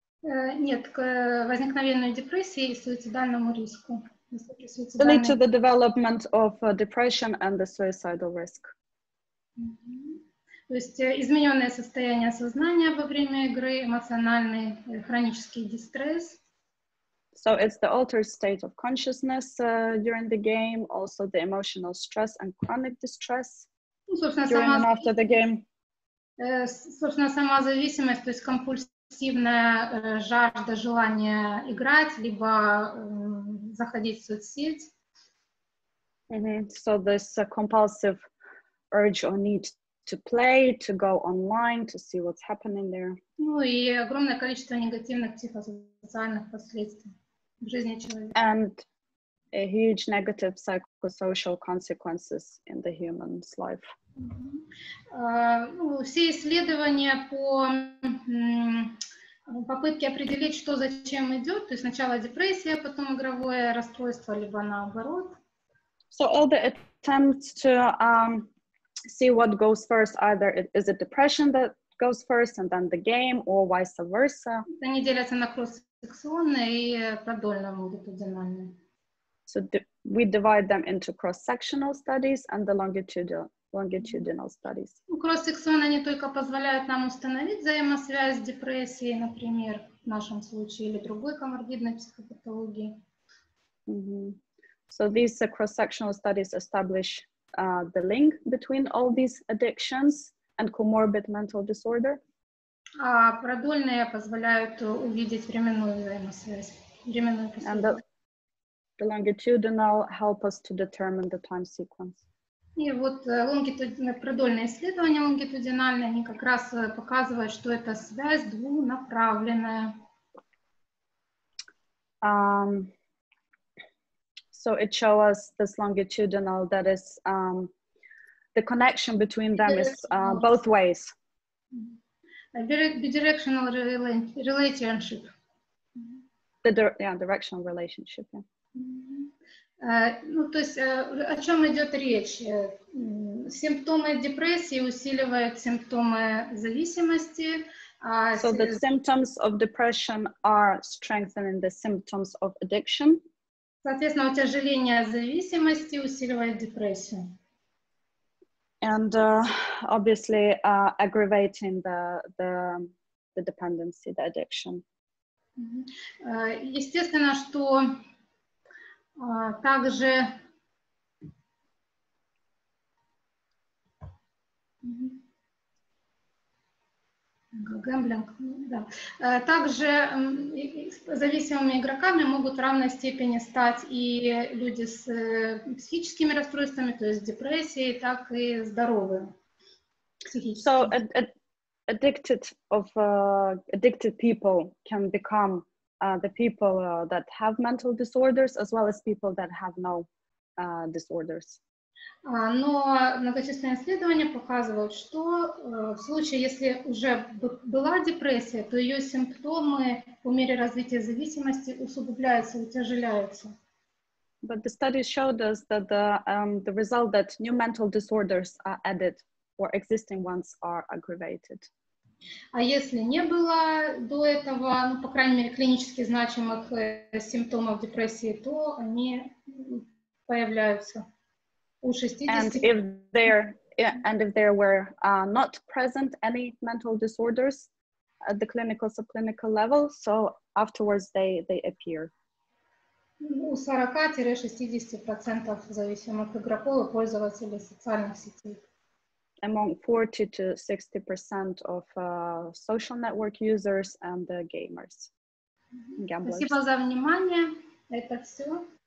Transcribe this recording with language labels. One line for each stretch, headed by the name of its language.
Russian: Нет, к возникновению депрессии и суицидальному риску.
English: To lead to the development of depression and the suicidal risk.
Russian: То есть измененное состояние сознания во время игры, эмоциональный хронический дистресс.
English: So it's the altered state of consciousness during the game, also the emotional stress and chronic distress during and after the game.
Russian: Собственно, сама зависимость, то есть компульсивная жажда, желание играть, либо заходить в соцсеть.
English: So this compulsive urge or need to play, to go online, to see what's happening there.
Russian: Ну и огромное количество негативных психосоциальных последствий в жизни человека.
English: And a huge negative psychosocial consequences in the human's life.
Russian: Все исследования по попытке определить, что зачем идет, то есть сначала депрессия, потом игровое расстройство, либо наоборот.
English: So all the attempts to see what goes first, either is it depression that goes first and then the game, or vice versa.
Russian: Они делятся на кросс-секционные и продольные лонгитудинальные.
English: So we divide them into cross-sectional studies and the longitudinal studies.
Russian: Кросс-секционные они только позволяют нам установить взаимосвязь с депрессией, например, в нашем случае, или другой коморбидной психопатологии.
English: So these cross-sectional studies establish the link between all these addictions and comorbid mental disorder.
Russian: А продольные позволяют увидеть временную взаимосвязь, временную последовательность.
English: The longitudinal help us to determine the time sequence.
Russian: И вот продольные исследования лонгитудинальные, они как раз показывают, что это связь двунаправленная.
English: So it shows us this longitudinal that is the connection between them is both ways. A bidirectional relationship. Directional relationship, yeah.
Russian: Ну, то есть, о чем идет речь? Симптомы депрессии усиливают симптомы зависимости.
English: So the symptoms of depression are strengthening the symptoms of addiction.
Russian: Соответственно, утяжеление зависимости усиливает депрессию.
English: And obviously aggravating the dependency, the addiction.
Russian: Естественно, что также гэмблинг, да. Также зависимыми игроками могут в равной степени стать и люди с психическими расстройствами, то есть депрессией, так и здоровые.
English: So addicted people can become the people that have mental disorders, as well as people that have no disorders.
Russian: Но многочисленные исследования показывают, что в случае, если уже была депрессия, то ее симптомы по мере развития зависимости усугубляются, утяжеляются.
English: But the studies showed us that the result that new mental disorders are added or existing ones are aggravated.
Russian: А если не было до этого, ну, по крайней мере, клинически значимых симптомов депрессии, то они появляются у 60%.
English: And if there were not present any mental disorders at the clinical subclinical level, so afterwards they appear.
Russian: У 40-60% зависимых игроков и пользователей социальных сетей.
English: Among 40-60% of social network users and the gamers, gamblers.
Russian: Спасибо за внимание. Это все.